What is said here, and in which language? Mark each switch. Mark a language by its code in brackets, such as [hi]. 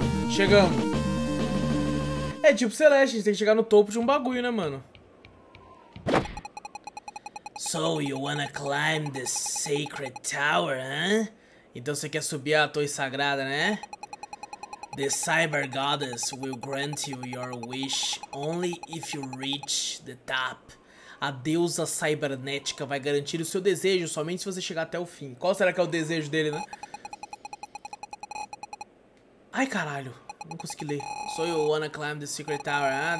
[pt] Chegamos. É tipo Celeste, a gente tem que chegar no topo de um bagulho, né, mano? [en] So you wanna climb the sacred tower, huh? [pt] Então você quer subir a torre sagrada, né? [en] The cyber goddess will grant you your wish only if you reach the top. [pt] A deusa cibernética vai garantir o seu desejo somente se você chegar até o fim. Qual será que é o desejo dele, né? Ai, caralho. Não consegui ler. [en] So you wanna climb the sacred tower, huh?